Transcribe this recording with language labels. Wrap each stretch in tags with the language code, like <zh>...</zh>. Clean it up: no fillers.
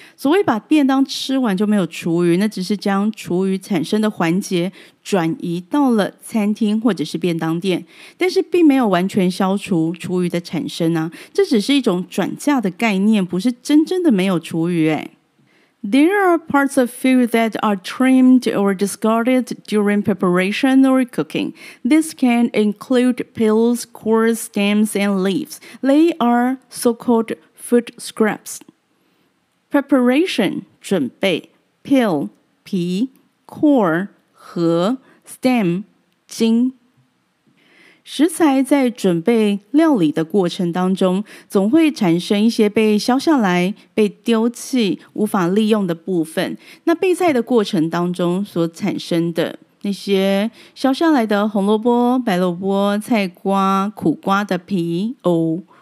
<zh>所谓把便当吃完就没有厨余，那只是将厨余产生的环节转移到了餐厅或者是便当店，但是并没有完全消除厨余的产生啊，这只是一种转嫁的概念，不是真正的没有厨余哎。</zh> <en>There are parts of food that are trimmed or discarded during preparation or cooking. This can include peels, cores, stems, and leaves. They are so-called food scraps. Preparation, 准备 peel, 皮 core, 核 stem, 茎。</en> <zh>食材在准备料理的过程当中，总会产生一些被削下来、被丢弃、无法利用的部分。那备菜的过程当中所产生的那些削下来的红萝卜、白萝卜、菜瓜、苦瓜的皮、藕、</zh>